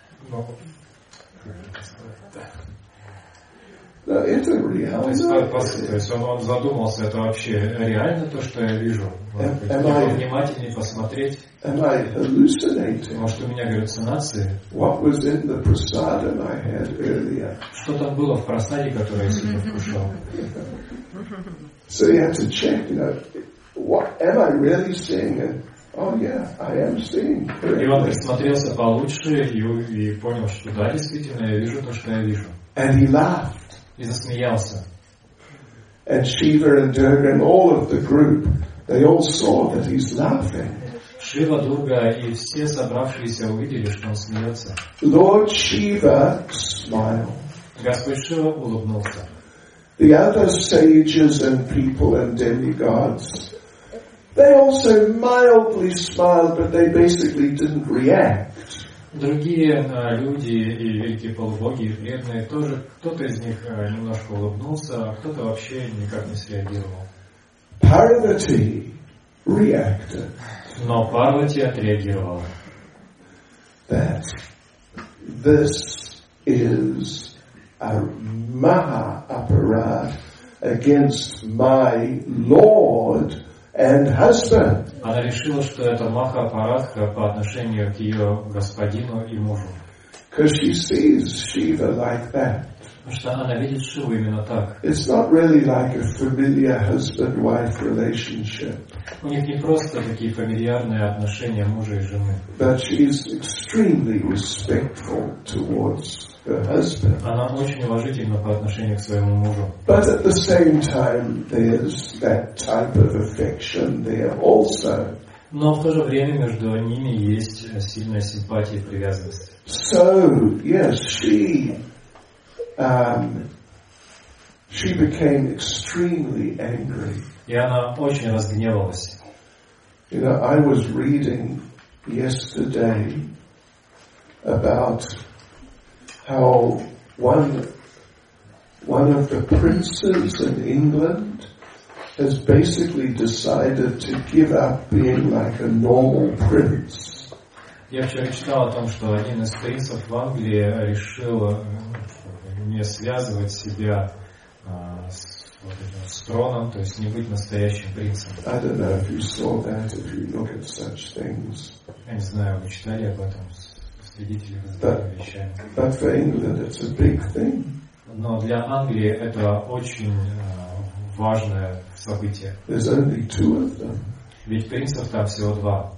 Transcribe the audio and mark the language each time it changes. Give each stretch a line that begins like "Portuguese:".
Russian: Ну, это реально. То есть, он задумался, это вообще реально то, что я вижу? Надо внимательнее посмотреть.
English: Am I hallucinating?
Russian: Может, у меня галлюцинации?
English: What was in the prasadam I had earlier?
Russian: Что там было в прасаде, который я сегодня вкушал?
English: So you have to check, you know, what am I really seeing? And, oh yeah, I am seeing.
Russian: И он присмотрелся получше и понял, что да, действительно, я вижу то, что я вижу.
English: And he laughed.
Russian: И засмеялся.
English: And Shiva and Durga and all of the group, they all saw that he's laughing.
Russian: Шива, Дурга и все собравшиеся увидели, что он смеется.
English: Lord Shiva smiled.
Russian: Господь Шива улыбнулся.
English: The other sages and people and demigods, they also mildly smiled, but they basically didn't react.
Russian: Другие люди и великие полубоги и преданные тоже, кто-то из них немножко улыбнулся, а кто-то вообще никак не среагировал.
English: Parvati reacted.
Russian: Но Парвати отреагировала.
English: That this is a maha aparad against my lord and husband.
Russian: Она решила, что это маха апарадха по отношению к ее господину и мужу.
English: Because she sees Shiva like that.
Russian: Потому что она видит Шиву именно так.
English: It's not really like a familiar husband-wife relationship.
Russian: У них не просто такие фамильярные отношения мужа и жены.
English: But she is extremely respectful towards her husband.
Russian: Она очень уважительна по отношению к своему мужу.
English: But at the same time, there's that type of affection there also.
Russian: Но в то же время между ними есть сильная симпатия и привязанность.
English: So, yes, she became extremely angry.
Russian: И она очень разгневалась.
English: You know, I was reading yesterday about how one of the princes in England has basically decided to give up being like a normal prince.
Russian: Я вчера читал о том, что один из принцев в Англии решил не связывать себя с троном, то есть не быть настоящим принцем.
English: I don't know if you saw that, if you look at such things.
Russian: Я не знаю, вы читали об этом?
English: But for England, it's a big thing.
Russian: Но для Англии это очень важное событие.
English: There's only two of them.
Russian: Ведь принцев там всего два.